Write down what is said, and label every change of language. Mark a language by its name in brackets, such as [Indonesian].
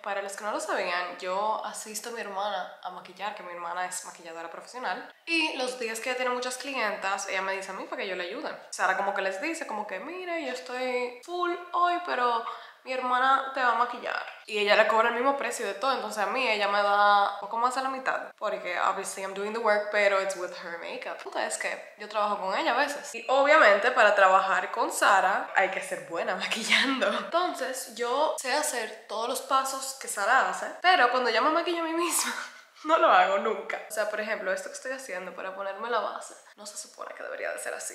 [Spanish] Para los que no lo sabían, yo asisto a mi hermana a maquillar, que mi hermana es maquilladora profesional. Y los días que ella tiene muchas clientas, ella me dice a mí para que yo le ayude. O sea, ahora como que les dice, como que, mire, yo estoy full hoy, pero mi hermana te va a maquillar. Y ella le cobra el mismo precio de todo, entonces a mí ella me da poco más de la mitad. [English] Porque, obviously, I'm doing the work, pero it's with her makeup. [Spanish] Entonces, que yo trabajo con ella a veces. Y obviamente, para trabajar con Sara, hay que ser buena maquillando. Entonces, yo sé hacer todos los pasos que Sara hace, pero cuando ya me maquillo a mí misma, no lo hago nunca. O sea, por ejemplo, esto que estoy haciendo para ponerme la base, no se supone que debería de ser así.